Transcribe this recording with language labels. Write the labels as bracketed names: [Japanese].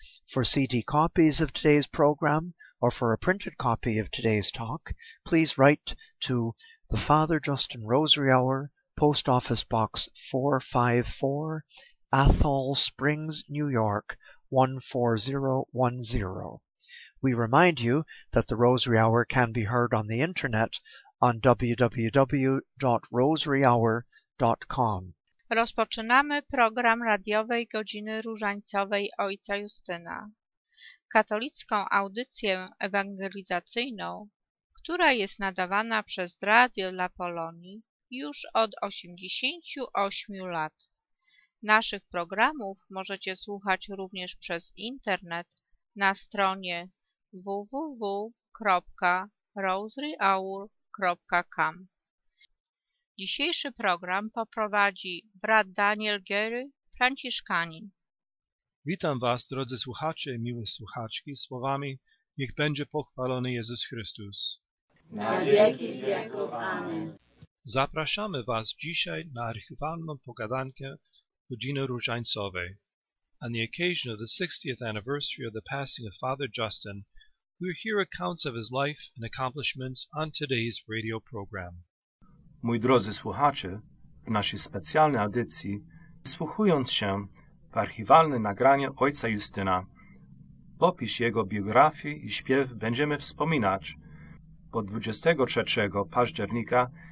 [English] For CD copies of today's program, or for a printed copy of today's talk, please write to the Father Justin Rosary Hour, Post Office Box 454, Athol Springs, New York, 14010. We remind you that the Rosary Hour can be heard on the Internet on www.rosaryhour.com. [Polish] Rozpoczynamy program radiowej godziny różańcowej Ojca Justyna. Katolicką audycję ewangelizacyjną, która jest nadawana przez Radio La Polonii już od 88 lat. Naszych programów możecie słuchać również przez internet na stronie www.rosaryhour.com. Dzisiejszy program poprowadzi brat Daniel Gery, franciszkanin. Witam Was, drodzy słuchacze i miłe słuchaczki, słowami niech będzie pochwalony Jezus Chrystus. Na wieki wieków. Amen. Zapraszamy Was dzisiaj na archiwalną pogadankę godziny różańcowej. [English] On the occasion of the 60th anniversary of the passing of Father Justin, we hear accounts of his life and accomplishments on today's radio program. [Polish] Mój drodzy słuchacze, w naszej specjalnej audycji, wsłuchując się w archiwalne nagranie Ojca Justyna, opis jego biografii i śpiew będziemy wspominać, bo 23 października